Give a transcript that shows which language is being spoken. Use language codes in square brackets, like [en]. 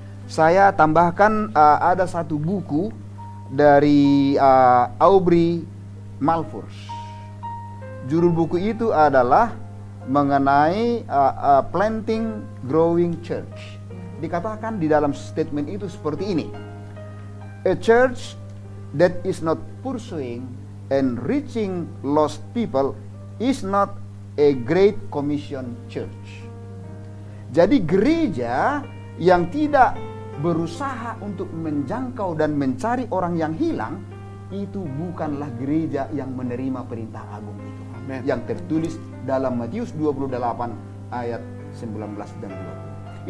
[id] Saya tambahkan ada satu buku dari Aubrey Malfors. Judul buku itu adalah mengenai Planting Growing Church. Dikatakan di dalam statement itu seperti ini. [en] A church that is not pursuing and reaching lost people is not a great commission church. [id] Jadi gereja yang tidak berusaha untuk menjangkau dan mencari orang yang hilang, itu bukanlah gereja yang menerima perintah agung itu. Amen. Yang tertulis dalam Matius 28 ayat 19 dan 20.